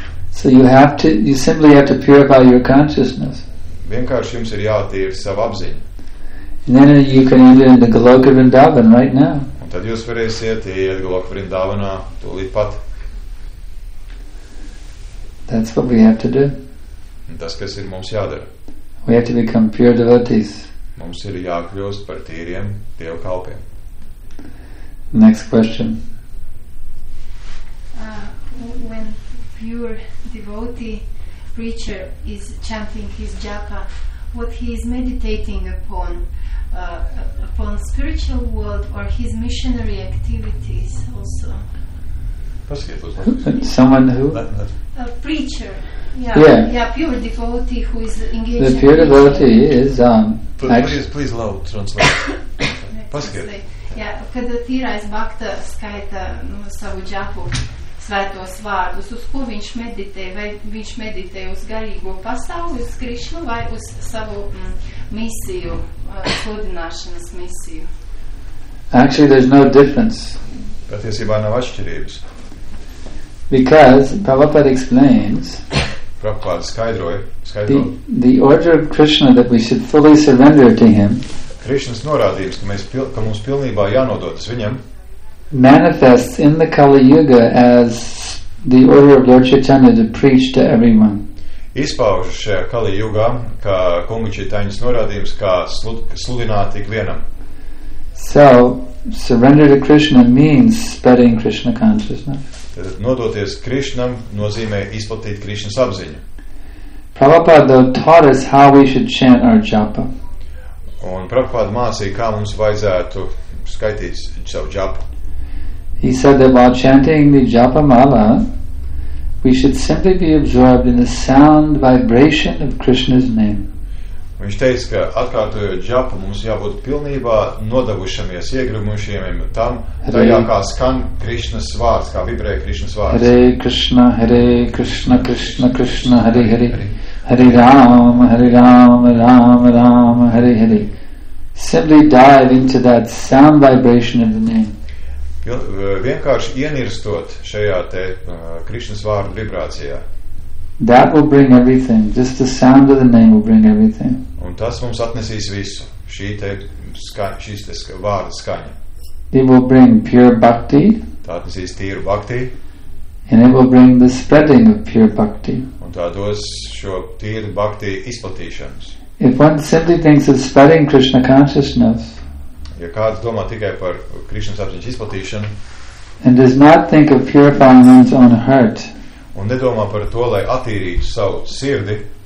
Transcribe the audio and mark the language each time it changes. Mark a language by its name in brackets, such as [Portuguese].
[English] So you have to, you simply have to purify your consciousness. [Latvian] Vienkārši jums ir jāatīra savu apziņu. [English] And then you can enter into Goloka Vrindavan right now. [Latvian] Un tad jūs varēsiet iet Goloka Vrindavanā tūlīt pat. [English] That's what we have to do. [Latvian] Un tas, kas ir mums jādara. [English] We have to become pure devotees. [Latvian] Mums ir jākļūst par tīriem Dieva kalpiem. [English] Next question. When pure devotee preacher is chanting his japa, what he is meditating upon, upon spiritual world or his missionary activities also? Someone who? A preacher. Yeah, pure devotee who is engaged. The pure devotee is... Please low translate. [Latvian] Kad tīrais bakta skaita savu džapu svētos vārdus, uz ko viņš meditē? Vai viņš meditē uz garīgo pasauli, uz Krišnu, vai uz savu misiju, sludināšanas misiju? [English] Actually, there's no difference. [Latvian] Patiesībā nav atšķirības. [English] Because Prabhupada explains... [Latvian] Prabhupada skaidroja. [English] The order of Krishna that we should fully surrender to him... [Latvian] Krišnas norādījums, ka mums pilnībā jānododas viņam. [English] Manifests in the Kali Yuga as the order of Lord Chaitanya to preach to everyone. [Latvian] Izpaužas šajā Kali Yuga, ka Kunga Chaitanyas norādījums, kā sludināt ikvienam. [English] So, surrender to Krishna means spreading Krishna consciousness. [Latvian] Tad nodoties Krišnam nozīmē izplatīt Krišnas apziņu. [English] Prabhupada taught us how we should chant our japa. [Latvian] Un Prabhupāda mācīja, kā mums vajadzētu skaitīt savu džapu. [English] He said that while chanting the japa mala, we should simply be absorbed in the sound vibration of Krishna's name. [Latvian] Viņš teica, ka atkārtojot džapu, mums jābūt pilnībā nodavušamies, iegrimušiem tam, tajā kā skan Krišnas vārds, kā vibrē Krišnas vārds. [Sanskrit] Hare Krishna, Krishna, Krishna, Hare Hare. Hare Rama, Hare Rama, Rama Rama, Hare Hare. [English] Simply dive into that sound vibration of the name. [Latvian] Vienkārši ienirstot šajā te Krišnas vārdu vibrācijā. [English] That will bring everything. Just the sound of the name will bring everything. [Latvian] Un tas mums atnesīs visu. Šīs te vārdu skaņa. [English] It will bring pure bhakti. [Latvian] Tā atnesīs tīru bhakti. [English] And it will bring the spreading of pure bhakti. [Latvian] Un tā dos šo tīru bhakti izplatīšanas. [English] If one simply thinks of spreading Krishna consciousness, [Latvian] ja kāds domā tikai par Krišnas apziņas izplatīšanu, [English] and does not think of purifying one's own heart, [Latvian] un nedomā par to, lai attīrītu savu sirdi,